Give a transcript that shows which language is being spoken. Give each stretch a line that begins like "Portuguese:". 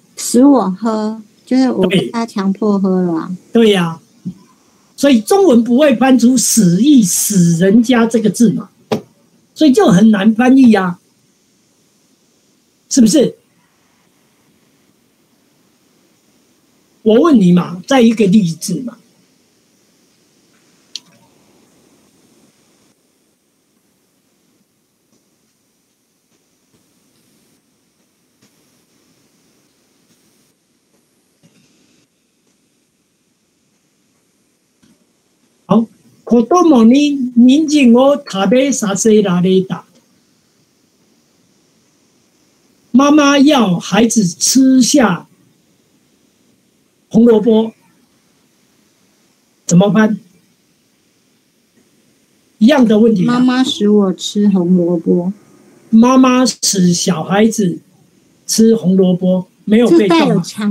Chinese: 使我喝，就是我被他强迫喝了、啊。对呀、啊，所以中文不会翻出“使意使人家”这个字嘛，所以就很难翻译呀、啊，是不是？我问你嘛，再一个例子嘛，
Japanese: 子供に人参を食べさせられた。
Chinese: 妈妈要孩子吃下红萝卜，怎么办？一样的问题、啊。妈妈使我吃红萝卜。妈妈使小孩子吃红萝卜，没有被动、啊。